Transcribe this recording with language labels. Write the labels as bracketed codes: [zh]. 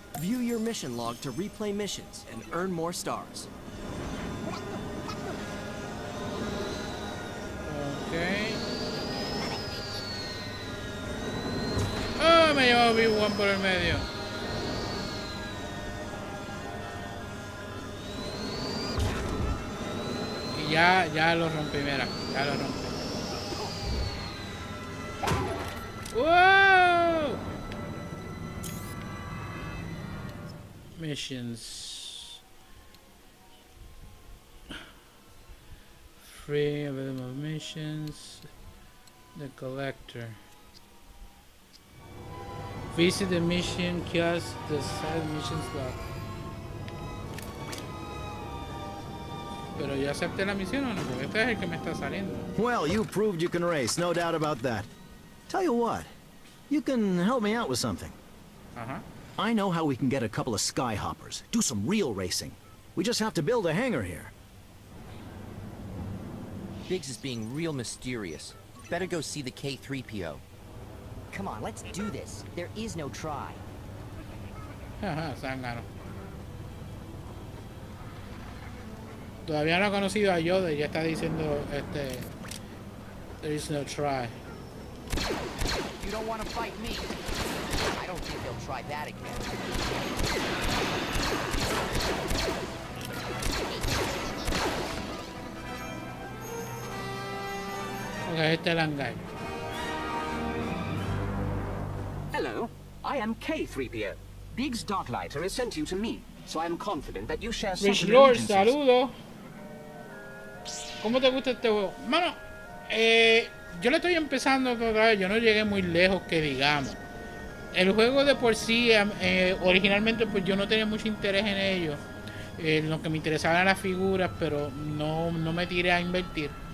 [en] View your mission log to replay missions and earn more stars. [es] Okay. Oh, me llevo B1 por el medio. Ya lo rompí, mira, ya lo rompí. ¡Wow! [en] Missions. Free available missions. The collector. Visit the mission kiosk, the side missions log. [es] Pero yo acepté la misión o no, porque este es el que me está saliendo. [en] Well, you proved you can race, no doubt about that. Tell you what, you can help me out with something. I know how we can get a couple of skyhoppers. Do some real racing. We just have to build a hangar here. Biggs is being real mysterious. Better go see the K3PO. Come on, let's do this. There is no try. [es] Sangano. Todavía no ha conocido a Yoda y ya está diciendo este. [en] There is no try. You don't want to fight me. I don't think they'll try that again. [es] Okay, este es el hangar. [en] Hello, I am K3PO. Biggs Darklighter has sent you to me, so I am confident that you share some. [es] Lord, saludo. ¿Cómo te gusta este juego? Mano, yo le estoy empezando otra vez. Yo no llegué muy lejos, que digamos. El juego de por sí, originalmente, pues yo no tenía mucho interés en ello. Lo que me interesaba eran las figuras, pero no me tiré a invertir.